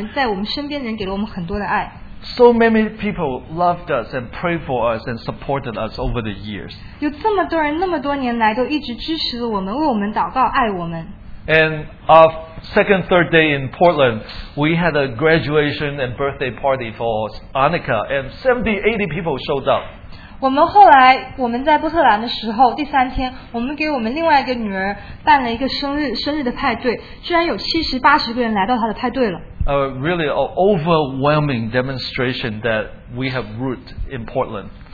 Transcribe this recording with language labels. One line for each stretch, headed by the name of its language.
Chinese: 我很感激这一件事情，就是虽然我们是无家可归的，但是我们在我们身边人给了我们很多的爱。
English: So many people loved us and prayed for us and supported us over the years.
Chinese: 有这么多人那么多年来都一直支持我们，为我们祷告，爱我们。
English: And our second, third day in Portland, we had a graduation and birthday party for Annika, and 70, 80 people showed up.
Chinese: 我们后来我们在波特兰的时候，第三天，我们给我们另外一个女儿办了一个生日的派对，居然有七十八十个人来到她的派对了。
English: Really, an overwhelming demonstration that we have root in Portland.